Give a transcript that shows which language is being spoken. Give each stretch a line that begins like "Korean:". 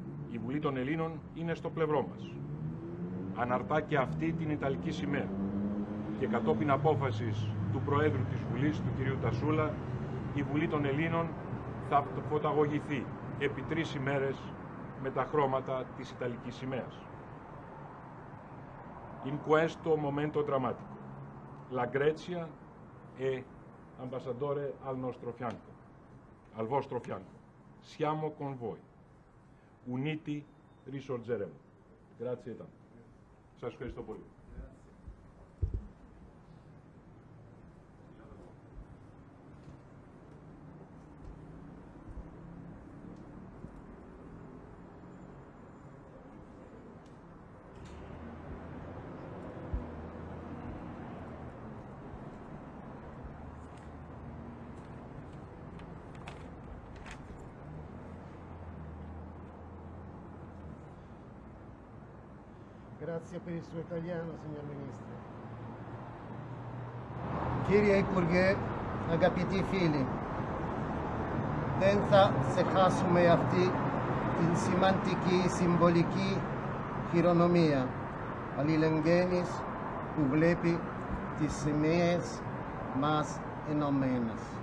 Greek: Η Βουλή των Ελλήνων είναι στο πλευρό μας. Αναρτά και αυτή την Ιταλική σημαία και κατόπιν απόφασης του Προέδρου της Βουλής, του κυρίου Τασούλα, η Βουλή των Ελλήνων θα φωταγωγηθεί επί τρεις ημέρες με τα χρώματα της Ιταλικής σημαίας.
Italian: In questo momento drammatico, la Grecia è ambasciatore al nostro fianco, al vostro fianco. Siamo con voi. Uniti risorgeremo. Grazie tanto.
Greek: Σας ευχαριστώ πολύ.
Italian: Grazie per il suo italiano, signor Ministro.
Greek: Κύριε Υπουργέ, αγαπητοί φίλοι, δεν θα ξεχάσουμε αυτή την σημαντική συμβολική χειρονομία αλληλεγγένης που βλέπει τις σημαίες μας ενωμένες.